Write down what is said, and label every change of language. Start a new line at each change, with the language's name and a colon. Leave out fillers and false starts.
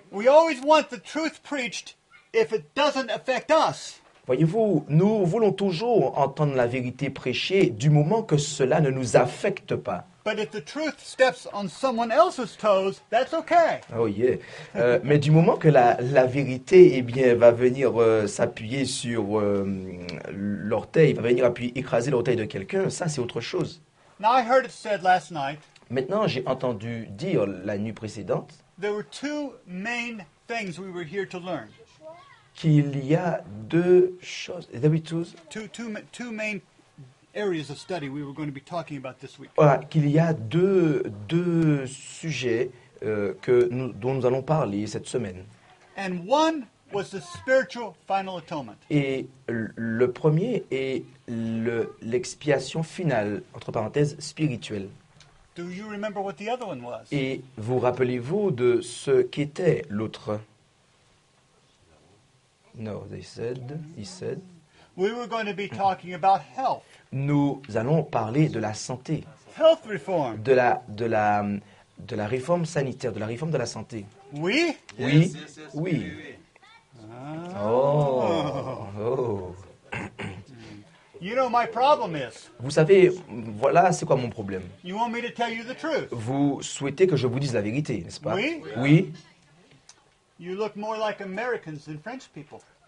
English: We always want the truth preached if it doesn't affect us.
French: Voyez-vous, nous voulons toujours entendre la vérité prêchée du moment que cela ne nous affecte pas.
English: But if the truth steps on someone else's toes, that's okay. Oh yeah.
French: mais du moment que la vérité, eh bien, va venir s'appuyer sur l'orteil, va venir écraser l'orteil de quelqu'un, ça c'est autre chose.
English: Now I heard it said last night.
French: Maintenant, j'ai entendu dire la nuit précédente.
English: There were two main things we were here to learn.
French: Qu'il y a deux choses.
English: Two main areas of study we were going to be talking about this week.
French: Voilà, qu'il y a deux sujets dont nous allons parler cette semaine.
English: And one was the spiritual final atonement.
French: Et le premier est l'expiation finale, entre parenthèses, spirituelle.
English: Do you remember what the other one was?
French: Et vous rappelez-vous de ce qu'était l'autre?
English: No, he said. We were going to be talking about health.
French: Nous allons parler de la santé.
English: Health reform.
French: De la réforme sanitaire, de la réforme de la santé. Oui.
English: Yes,
French: oui.
English: Yes, yes,
French: oui. Oui. Oh.
English: Oh. You know my problem is.
French: Vous savez, voilà c'est quoi mon problème.
English: You want me to tell you the truth.
French: Vous souhaitez que je vous dise la vérité, n'est-ce pas? Oui. Oui.
English: You look more like Americans than French people.